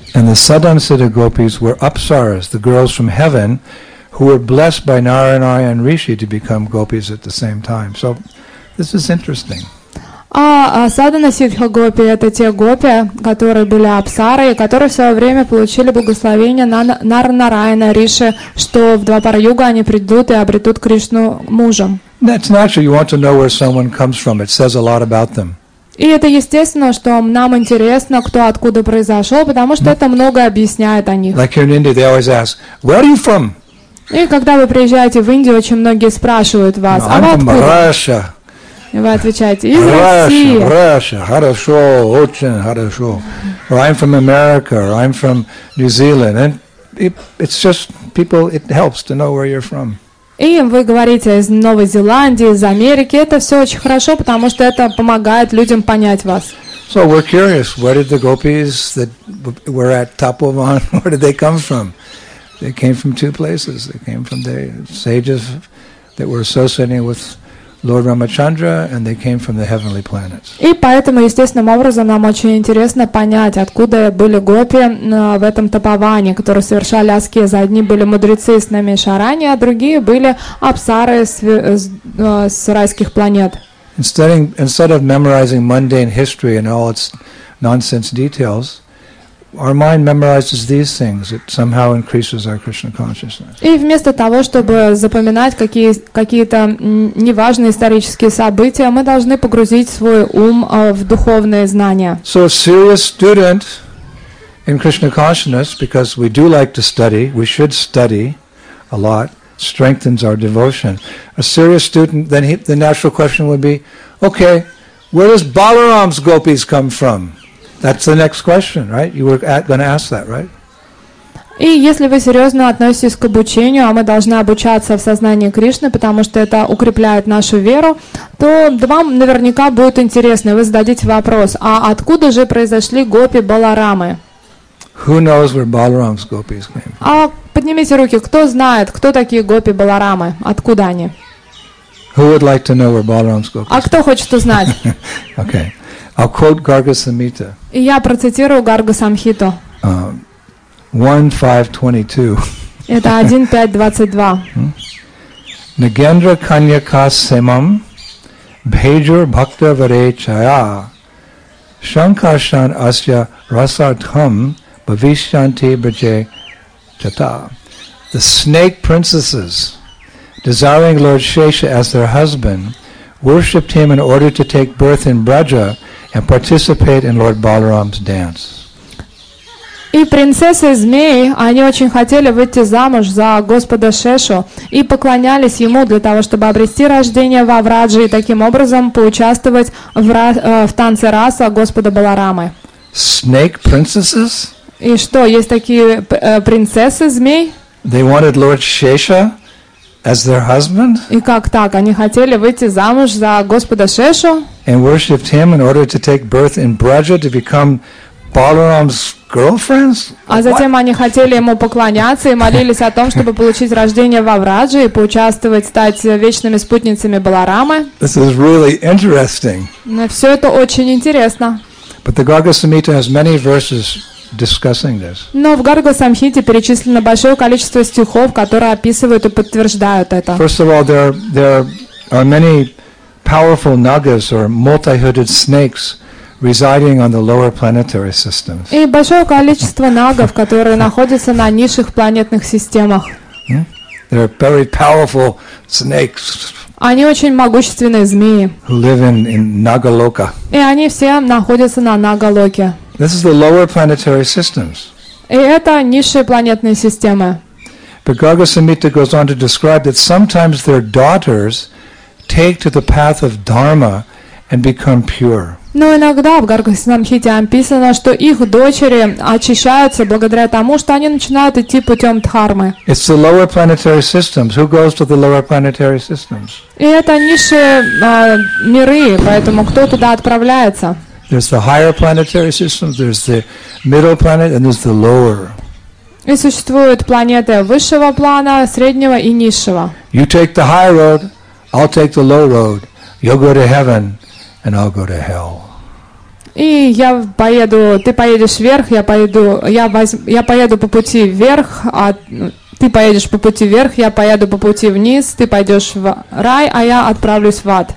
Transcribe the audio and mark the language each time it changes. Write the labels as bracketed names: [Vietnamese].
[English] And the Sadhan Siddha Gopis were Apsaras, the girls from heaven, who were blessed by Narayana and Rishi to become gopis at the same time. So this is interesting. [Russian] А Садхана Сиддха Гопи – это те гопи, которые были апсары, и которые в свое время получили благословение Нар-Нарайана, Риши, что в Двапара Юга они придут и обретут Кришну мужем. [English] That's natural. You want to know where someone comes from. It says a lot about them. [Russian] И это естественно, что нам интересно, кто откуда произошел, потому что это многое объясняет о них. [English] Like here in India, they always ask, where are you from? [Russian] И когда вы приезжаете в Индию, очень многие спрашивают вас, а вы откуда? Вы отвечаете, из Russia, хорошо, очень хорошо. [English] Or I'm from America, or I'm from New Zealand. And it's just people, it helps to know where you're from. [Russian] И вы говорите, из Новой Зеландии, из Америки. Это все очень хорошо, потому что это помогает людям понять вас. [English] So we're curious, where did the gopis that were at Tapovan, where did they come from? They came from two places. They came from the sages that were associating with Lord Ramachandra, and they came from the heavenly planets. [Russian] И поэтому естественным образом нам очень интересно понять, откуда были гопи в этом Тапаване, которые совершали аскезы. Одни были мудрецы с Наймишарани, а другие были апсары с райских планет. [English] Instead of memorizing mundane history and all its nonsense details, our mind memorizes these things. It somehow increases our Krishna consciousness. [Russian] И вместо того, чтобы запоминать какие-то неважные исторические события, мы должны погрузить свой ум в духовные знания. [English] So a serious student in Krishna consciousness, because we do like to study, we should study a lot, strengthens our devotion. A serious student, then the natural question would be, okay, where does Balaram's gopis come from? That's the next question, right? You were going to ask that, right? [Russian] И если вы серьезно относитесь к обучению, а мы должны обучаться в сознании Кришны, потому что это укрепляет нашу веру, то вам наверняка будет интересно, вы зададите вопрос, а откуда же произошли гопи Баларамы? [English] Who knows where Balaram's gopis came from? [Russian] А поднимите руки, кто знает, кто такие гопи Баларамы, откуда они? [English] Who would like to know where Balaram's gopis came from? [Russian] А кто хочет узнать? [English] Okay. I'll quote Garga Samhita. [Russian] Я процитирую Гарга Самхиту. [English] 1.5.22. [Russian] Это 1.5.22. [Sanskrit] Нагендра Каньяка Семам Бхеджур Бхакта Варе Чая Шанкашан Асья Расартхам Бхавишьянти Бхаджа Чата. [English] The snake princesses, desiring Lord Shesha as their husband, worshipped him in order to take birth in Braja and participate in Lord Balaram's dance. [Russian] И принцессы змеи, они очень хотели выйти замуж за господа Шешу и поклонялись ему для того, чтобы обрести рождение во Врадже и таким образом поучаствовать в танце раса господа Баларамы. [English] Snake princesses? [Russian] И что, есть такие принцессы змей? [English] They wanted Lord Shesha as their husband? [Russian] И как так? Они хотели выйти замуж за господа Шешу? [English] And worshipped him in order to take birth in Braja to become Balaram's girlfriends? [Russian] А затем они хотели ему поклоняться и молились о том, чтобы получить рождение во Врадже и поучаствовать, стать вечными спутницами Баларамы. [English] This is really interesting. [Russian] Но все это очень интересно. [English] But the Garga Samhita has many verses discussing this. [Russian] Но в Гарга Самхите перечислено большое количество стихов, которые описывают и подтверждают это. [English] First of all, there are many powerful nagas or multi-hooded snakes residing on the lower planetary systems. [Russian] И большое количество нагов, которые находятся на низших планетных системах. [English] They're very powerful snakes. [Russian] Они очень могущественные змеи. [English] Who live in Нагалока. [Russian] И они все находятся на Нагалоке. [English] This is the lower planetary systems. [Russian] И это низшие планетные системы. [English] But Garga Samhita goes on to describe that sometimes their daughters take to the path of Dharma and become pure. [Russian] Но иногда в Гарга-Самхите написано, что их дочери очищаются благодаря тому, что они начинают идти путем Дхармы. [English] It's the lower planetary systems. Who goes to the lower planetary systems? [Russian] И это низшие миры, поэтому кто туда отправляется? [English] There's the higher planetary systems, there's the middle planet, and there's the lower. [Russian] И существуют планеты высшего плана, среднего и низшего. [English] You take the high road, I'll take the low road. You'll go to heaven. And I'll go to hell. [Russian] И я поеду, ты поедешь вверх, я поеду по пути вверх, а ты поедешь по пути вверх, я поеду по пути вниз, ты пойдешь в рай, а я отправлюсь в ад.